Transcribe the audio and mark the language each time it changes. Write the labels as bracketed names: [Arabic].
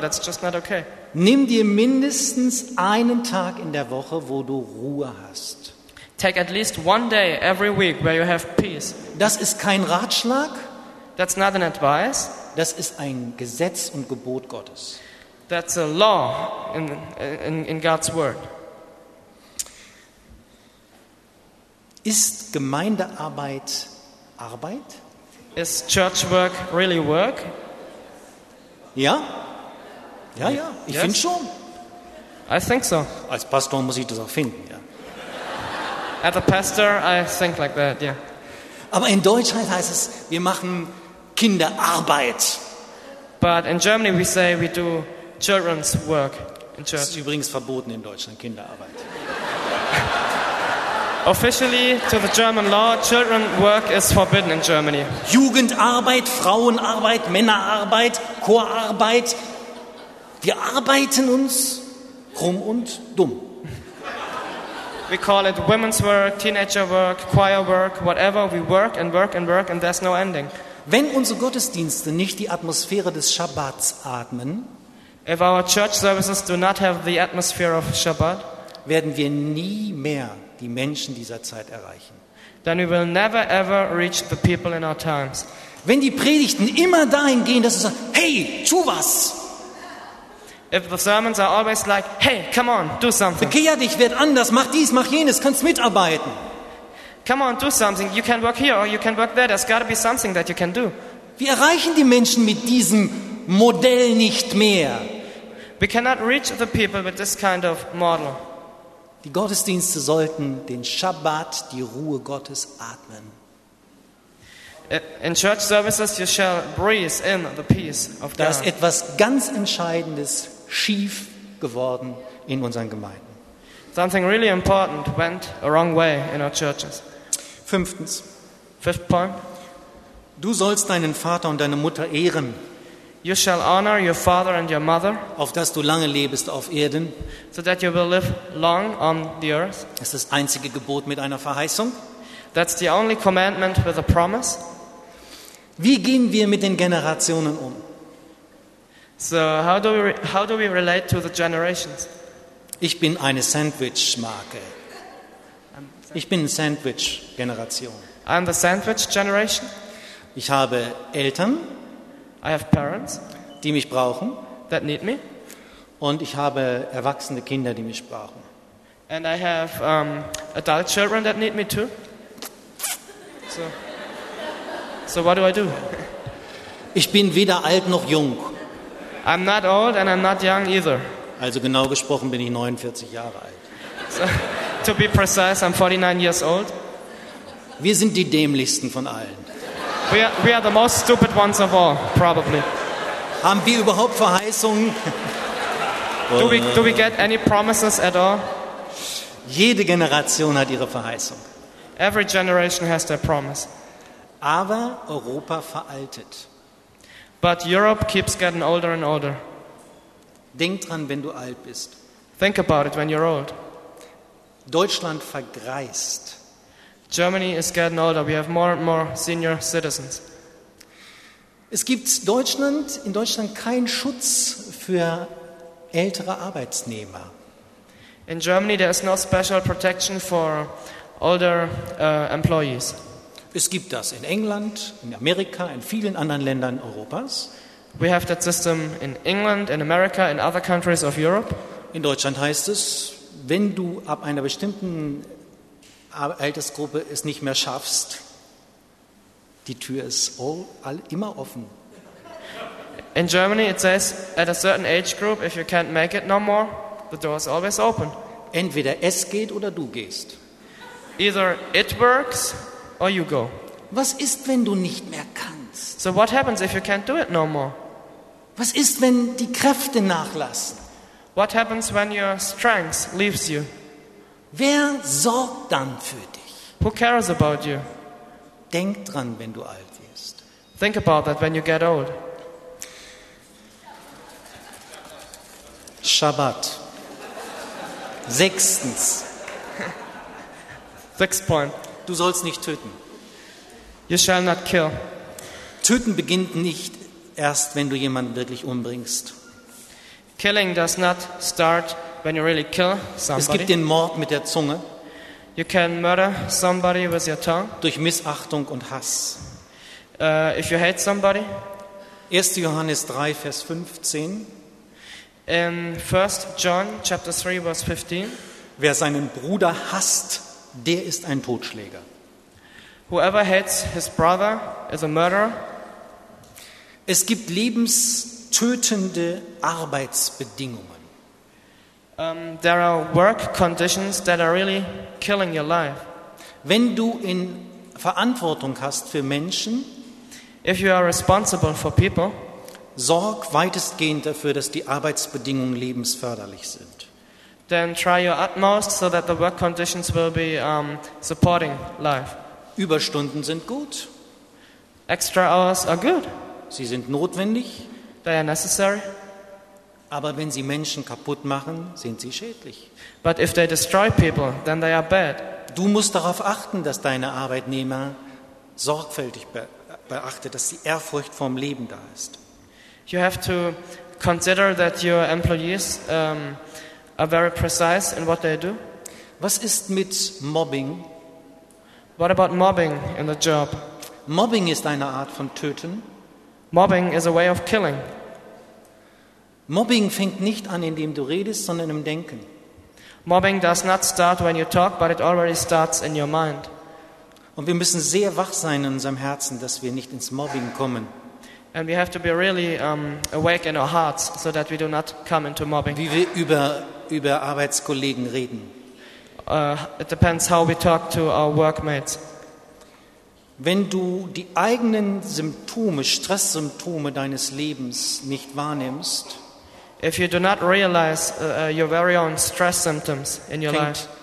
[English] That's just not okay. [German] Nimm dir mindestens einen Tag in der Woche, wo du Ruhe hast. [English] Take at least one day every week where you have peace. [German] Das ist kein Ratschlag. [English] That's not an advice. [German] Das ist ein Gesetz und Gebot Gottes. [English] That's a law in God's word. [German] Ist Gemeindearbeit Arbeit? [English] Is church work really work? [German] Ja. Ja, ja. Ich finde schon. [English] I think so. [German] Als Pastor muss ich das auch finden, ja. [English] As a pastor, I think like that, yeah. [German] Aber in Deutschland heißt es, wir machen Kinderarbeit. [English] But in Germany we say we do children's work in church. [German] Das ist übrigens verboten in Deutschland, Kinderarbeit. [English] Officially, to the German law, children work is forbidden in Germany. [German] Jugendarbeit, Frauenarbeit, Männerarbeit, Chorarbeit. Wir arbeiten uns krumm und dumm. [English] We call it women's work, teenager work, choir work, whatever. We work and work and work and there's no ending. [German] Wenn unsere Gottesdienste nicht die Atmosphäre des Schabbats atmen, [English] if our church services do not have the atmosphere of Shabbat, [German] werden wir nie mehr die Menschen dieser Zeit erreichen. [English] Then we will never ever reach the people in our times. [German] Wenn die Predigten immer dahin gehen, dass du sagst, hey, tu was. [English] If the sermons are always like, hey, come on, do something. [German] Bekehr dich, werd anders, mach dies, mach jenes, kannst mitarbeiten. [English] Come on, do something. You can work here or you can work there. There's got to be something that you can do. [German] Wir erreichen die Menschen mit diesem Modell nicht mehr. [English] We cannot reach the people with this kind of model. [German] Die Gottesdienste sollten den Shabbat, die Ruhe Gottes, atmen. [English] In church services you shall breathe in the peace of God. [German] Da ist etwas ganz Entscheidendes schief geworden in unseren Gemeinden. [English] Something really important went a wrong way in our churches. [German] Fünftens. [English] Fifth point. [German] Du sollst deinen Vater und deine Mutter ehren. [English] You shall honor your father and your mother. [German] Auf dass du lange lebst auf Erden. [English] So that you will live long on the earth. [German] Das ist das einzige Gebot mit einer Verheißung. [English] That's the only commandment with a promise. [German] Wie gehen wir mit den Generationen um? [English] So how do we relate to the generations? [German] Ich bin eine Sandwich-Marke. Ich bin Sandwich-Generation. [English] I'm the Sandwich-Generation. [German] Ich habe Eltern. [English] I have parents. [German] Die mich brauchen. [English] That need me. [German] Und ich habe erwachsene Kinder, die mich brauchen. [English] And I have adult children that need me too. So what do I do? [German] Ich bin weder alt noch jung. [English] I'm not old and I'm not young either. [German] Also genau gesprochen bin ich 49 Jahre alt. [English] So, to be precise, I'm 49 years old. [German] Wir sind die dämlichsten von allen. [English] We are the most stupid ones of all, probably. [German] Haben wir überhaupt Verheißungen? [English] Do we get any promises at all? [German] Jede Generation hat ihre Verheißung. [English] Every generation has their promise. [German] Aber Europa veraltet. [English] But Europe keeps getting older and older. [German] Denk dran, wenn du alt bist. [English] Think about it when you're old. [German] Deutschland vergreist. [English] Germany is getting older. We have more and more senior citizens. [German] Es gibt in Deutschland keinen Schutz für ältere Arbeitnehmer. [English] In Germany there is no special protection for older employees. [German] Es gibt das in England, in Amerika, in vielen anderen Ländern Europas. [English] We have that system in England, in America, in other countries of Europe. [German] In Deutschland heißt es, wenn du ab einer bestimmten Altersgruppe es nicht mehr schaffst, die Tür ist immer offen. [English] In Germany it says, at a certain age group, if you can't make it no more, the door is always open. [German] Entweder es geht oder du gehst. [English] Either it works or you go. [German] Was ist, wenn du nicht mehr kannst? [English] So what happens if you can't do it no more? [German] Was ist, wenn die Kräfte nachlassen? [English] What happens when your strength leaves you? [German] Wer sorgt dann für dich? [English] Who cares about you? [German] Denk dran, wenn du alt wirst. [English] Think about that when you get old. [German] Shabbat. Sechstens. [English] Sixth point. [German] Du sollst nicht töten. [English] You shall not kill. [German] Töten beginnt nicht erst, wenn du jemanden wirklich umbringst. [English] Killing does not start when you really kill somebody. [German] Es gibt den Mord mit der Zunge. [English] You can murder somebody with your tongue. [German] Durch Missachtung und Hass. [English] If you hate somebody. [German] 1. Johannes 3, Vers 15. [English] In 1. John chapter 3, verse 15. [German] Wer seinen Bruder hasst, der ist ein Totschläger. [English] Whoever hates his brother is a murderer. [German] Es gibt lebenstötende Arbeitsbedingungen. [English] There are work conditions that are really killing your life. [German] Wenn du in Verantwortung hast für Menschen, [English] if you are responsible for people, [German] sorg weitestgehend dafür, dass die Arbeitsbedingungen lebensförderlich sind. [English] Then try your utmost so that the work conditions will be supporting life. [German] Überstunden sind gut. [English] Extra hours are good. [German] Sie sind notwendig. [English] They are necessary. [German] Aber wenn sie Menschen kaputt machen, sind sie schädlich. [English] But if they destroy people, then they are bad. [German] Du musst darauf achten, dass deine Arbeitnehmer sorgfältig beachtet, dass die Ehrfurcht vorm Leben da ist. [English] You have to consider that your employees are very precise in what they do. [German] Was ist mit Mobbing? [English] What about mobbing in the job? [German] Mobbing ist eine Art von Töten. [English] Mobbing is a way of killing. [German] Mobbing fängt nicht an, indem du redest, sondern im Denken. [English] Mobbing does not start when you talk, but it already starts in your mind. [German] Und wir müssen sehr wach sein in unserem Herzen, dass wir nicht ins Mobbing kommen. [English] And we have to be really awake in our hearts, so that we do not come into mobbing. [German] Wie wir über Arbeitskollegen reden. [English] It depends how we talk to our workmates. [German] Wenn du die eigenen Symptome, Stresssymptome deines Lebens nicht wahrnimmst, [English] if you do not realize your very own stress symptoms in your life,